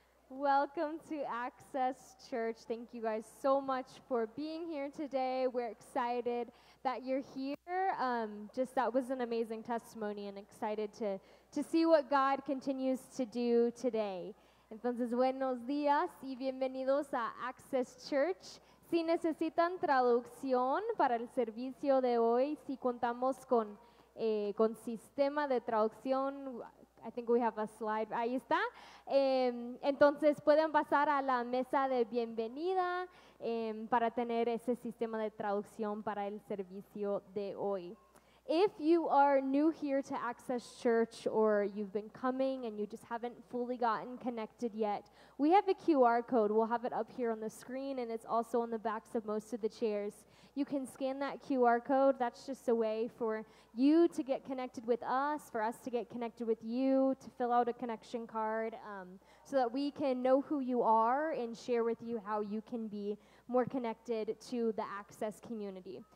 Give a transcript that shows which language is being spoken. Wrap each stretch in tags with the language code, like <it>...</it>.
<en>Welcome to Access Church. Thank you guys so much for being here today. We're excited that you're here. Just that was an amazing testimony and excited to see what God continues to do today.</en> <es>Entonces, buenos días y bienvenidos a Access Church. Si necesitan traducción para el servicio de hoy, si contamos con sistema de traducción,</es> <en>I think we have a slide.</en> <es>Ahí está. Entonces, pueden pasar a la mesa de bienvenida para tener ese sistema de traducción para el servicio de hoy.</es> <en>If you are new here to Access Church or you've been coming and you just haven't fully gotten connected yet, we have a QR code. We'll have it up here on the screen and it's also on the backs of most of the chairs. You can scan that QR code. That's just a way for you to get connected with us, for us to get connected with you, to fill out a connection card so that we can know who you are and share with you how you can be more connected to the Access community.</en>